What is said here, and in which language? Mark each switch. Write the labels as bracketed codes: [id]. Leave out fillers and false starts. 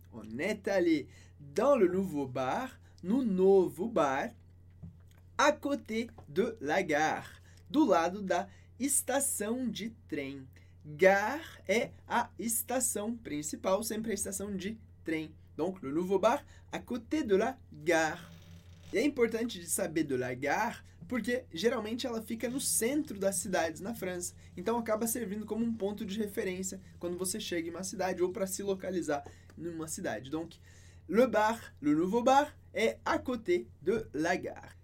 [fr] On est allé dans le nouveau bar, [pt] no novo bar, [fr] à côté de la gare, [pt] do lado da estação de trem. Gare é a estação principal, sempre a estação de trem. [fr] Donc, le nouveau bar, à côté de la gare. [pt] E é importante de saber [fr] de la gare, [pt] porque geralmente ela fica no centro das cidades na França. Então, acaba servindo como um ponto de referência quando você chega em uma cidade ou para se localizar numa cidade. [fr] Donc, le bar, le nouveau bar, é à côté de la gare.